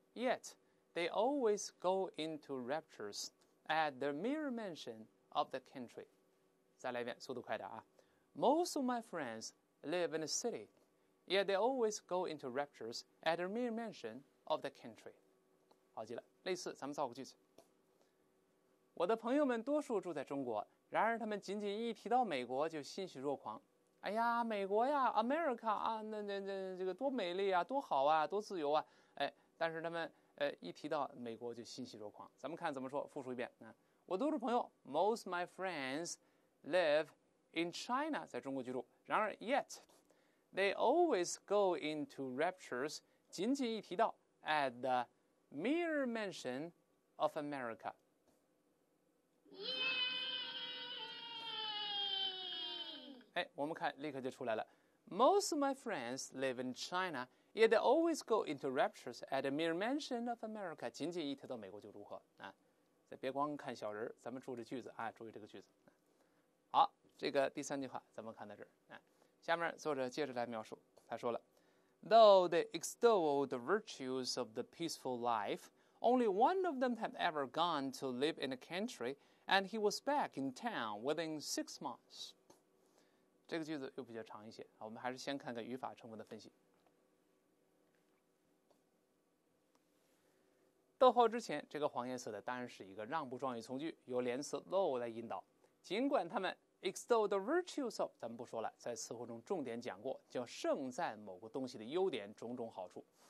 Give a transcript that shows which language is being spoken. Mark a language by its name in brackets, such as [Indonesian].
[English] Yet they always go into raptures at the mere mention of the country。 [Chinese] 再来一遍，速度快点啊。 [English] Most of my friends live in the city， yet they always go into raptures at the mere mention of the country。 [Chinese] 好极了，类似，咱们造个句子。我的朋友们多数住在中国，然而他们仅仅一提到美国就欣喜若狂。哎呀，美国呀 ，America 啊，那这个多美丽啊，多好啊，多自由啊！哎，但是他们一提到美国就欣喜若狂。咱们看怎么说，复述一遍。我多数朋友 ， [English] most my friends live in China， [Chinese] 在中国居住。然而 [English] ，yet they always go into raptures， [Chinese] 仅仅一提到， [English] at the mere mention of America. Yay! [Chinese] 哎，我们看，立刻就出来了。 [English] Most of my friends live in China, yet they always go into raptures at the mere mention of America. [Chinese] 仅仅一提到美国就如何啊？再别光看小人，咱们注意这句子啊，注意这个句子。好，这个第三句话咱们看到这儿啊。下面作者接着来描述，他说了。 [English] Though they extol the virtues of the peaceful life, only one of them had ever gone to live in a country, and he was back in town within 6 months. [Chinese] 这个句子又比较长一些，我们还是先看看语法成分的分析。逗号之前，这个黄颜色的当然是一个让步状语从句，由连词 though 来引导。尽管他们 [English] extol the virtues of， [Chinese] 咱们不说了，在词汇中重点讲过，叫盛赞某个东西的优点种种好处。